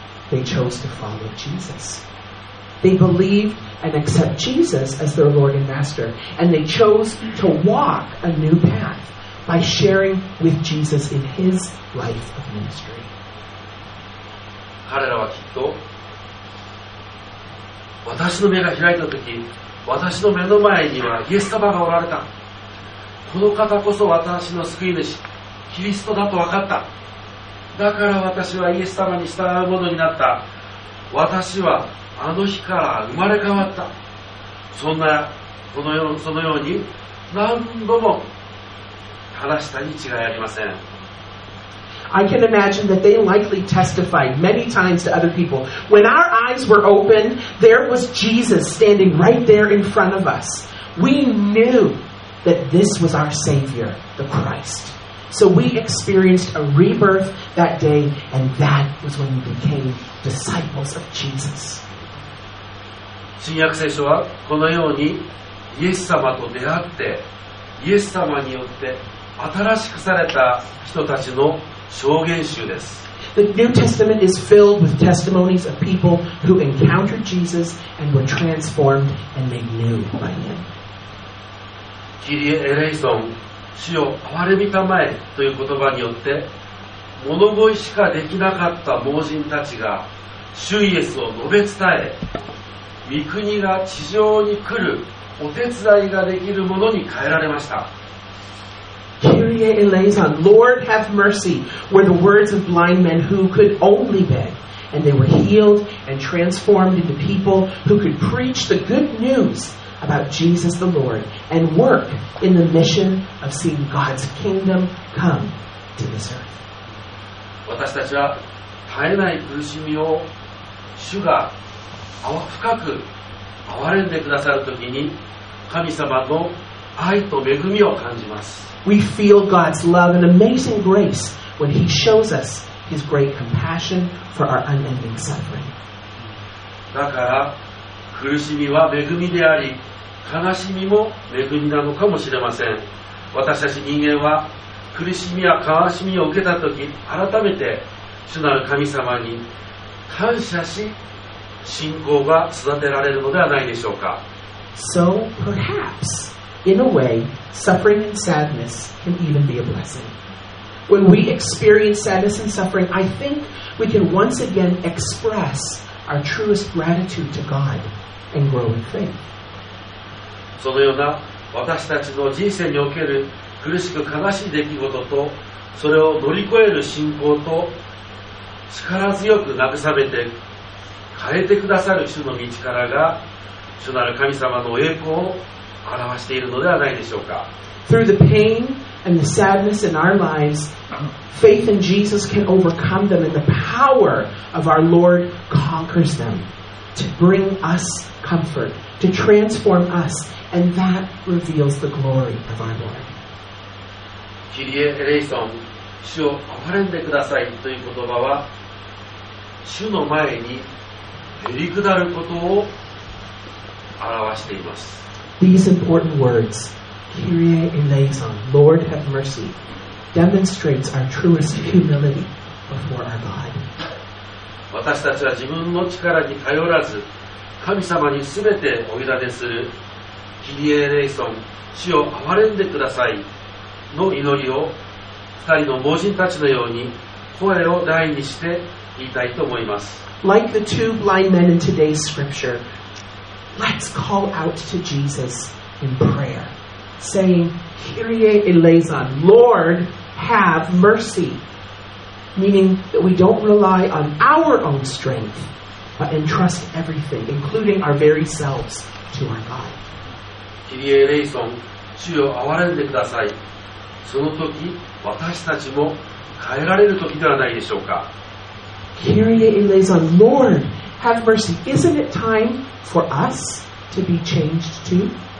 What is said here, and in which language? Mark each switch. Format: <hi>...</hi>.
<en>They chose to follow Jesus. They believed and accept Jesus as their Lord and Master, and they chose to walk a new path by sharing with Jesus in His life of ministry.</en> <ja>彼らはきっと、私の目が開いたとき、私の目の前にはイエス様がおられた。この方こそ私の救い主、キリストだと分かった。だから私はイエス様に従うものになった。私はあの日から生まれ変わった。そんなこのよう、そのように何度も話したに違いありません。</ja> <en>I can imagine that they likely testified many times to other people. When our eyes were opened, there was Jesus standing right there in front of us. We knew that this was our Savior, the Christ. So we experienced a rebirth that day, and that was when we became disciples of Jesus.</en> <ja>新約聖書はこのようにイエス様と出会ってイエス様によって新しくされた人たちの証言集です。</ja> <en>The New Testament is filled with testimonies of people who encountered Jesus and were transformed and made new by him.</en> <ja>キリエ・エレイソン、主よ憐れみたまえという言葉によって物乞いしかできなかった盲人たちが主イエスを述べ伝え、御国が地上に来るお手伝いができるものに変えられました。</ja> <en>Kyrie eleison, Lord have mercy, were the words of blind men who could only beg, and they were healed and transformed into people who could preach the good news about Jesus the Lord and work in the mission of seeing God's kingdom come to this earth.</en> <ja>私たちは絶えない苦しみを主が深く憐れんでくださるときに神様の愛と恵みを感じます。</ja> <en>We feel God's love and amazing grace when He shows us His great compassion for our unending suffering.</en> <ja>だから苦しみは恵みであり、悲しみも恵みなのかもしれません。私たち人間は苦しみや悲しみを受けたとき、改めて主なる神様に感謝し、信仰が育てられるのではないでしょうか。</ja> <en>So perhaps. In a way, suffering and sadness can even be a blessing. When we experience sadness and suffering, I think we can once again express our truest gratitude to God and grow in faith.</en> <ja>そのような私たちの人生における苦しく悲しい出来事と、それを乗り越える信仰と、力強く慰めて変えてくださる主の道からが、主なる神様の栄光を表しているのではないでしょうか。</ja> <en>Through the pain and the sadness in our lives, faith in Jesus can overcome them, and the power of our Lord conquers them to bring us comfort, to transform us, and that reveals the glory of our Lord.</en> <ja>キリエ・エレイソン、主を憐れんでくださいという言葉は、主の前にへりくだることを表しています。</ja> <en>These important words, Kyrie eleison, Lord have mercy, demonstrates our truest humility before our God.</en> <ja>私たちは自分の力に頼らず、神様にすべてお委ねする、Kyrie eleison, 主を憐れんでくださいの祈りを、二人の盲人たちのように声を大にして言いたいと思います。</ja> <en>Like the two blind men in today's scripture,Let's call out to Jesus in prayer, saying, Kyrie eleison, Lord, have mercy. Meaning that we don't rely on our own strength, but entrust everything, including our very selves, to our God.</en> <ja>Kyrie eleison, 主よ憐れんでください。その時、私たちも変えられる時ではないでしょうか。</ja> <en>Kyrie eleison, Lord, have mercy. Isn't it time? For us to be changed too.</en>